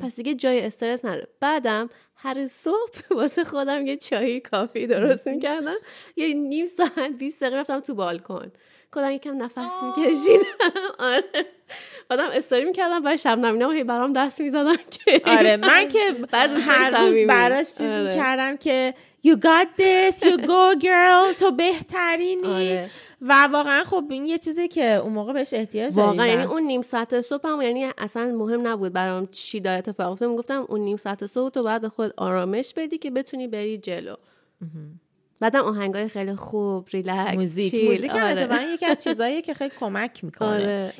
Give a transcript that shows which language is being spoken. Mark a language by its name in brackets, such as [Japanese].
[Persian] پس دیگه جای استرس نره. بعدم هر صبح واسه خودم یه چای کافی درست میکردم، یه نیم ساعت 20 دقیقه رفتم تو بالکن، کلاً یکم نفس میکشیدم. آره بعدم استوری میکردم و شبنمینم هی برام دست میزدم که آره من که هر روز براش چیز میکردم که [English] You got this, you go girl, [Persian] تو بهترینی. و واقعا خب این یه چیزی که اون موقع بهش احتیاج داری. واقعا یعنی اون نیم ساعت صبحم یعنی اصلا مهم نبود برام چی داره اتفاق افتاده. میگفتم اون نیم ساعت صبح تو باید به خود آرامش بدی که بتونی بری جلو. بعدم آهنگای خیلی خوب، ریلکس، موزیک. موزیک یکی از چیزایی که خیلی کمک میکنه.